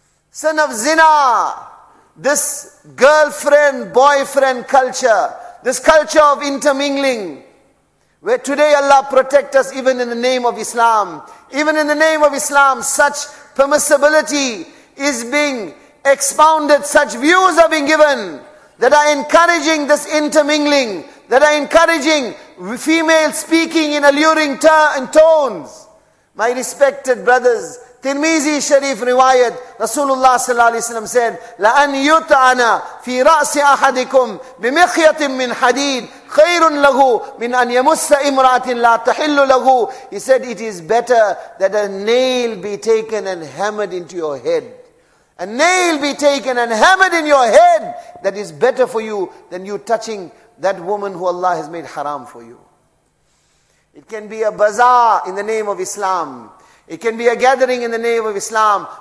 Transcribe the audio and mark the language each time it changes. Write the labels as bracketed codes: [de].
[en] Sin of zina, this girlfriend, boyfriend culture, this culture of intermingling, where today Allah protect us even in the name of Islam. Even in the name of Islam, such permissibility is being expounded, such views are being given that are encouraging this intermingling, that are encouraging female speaking in alluring tones. My respected brothers, Tirmizi Sharif riwayat, Rasulullah sallallahu alaihi wasallam said, [ar] لَأَنْ يُتْعَنَ فِي رَأْسِ أَحَدِكُمْ بِمِخْيَةٍ مِّنْ حَدِيدٍ خَيْرٌ لَهُ مِنْ أَنْ يَمُسَّ إِمْرَاتٍ لَا تَحِلُّ لَهُ. [en] He said, it is better that a nail be taken and hammered into your head. A nail be taken and hammered in your head. That is better for you than you touching that woman who Allah has made haram for you. It can be a bazaar in the name of Islam. It can be a gathering in the name of Islam.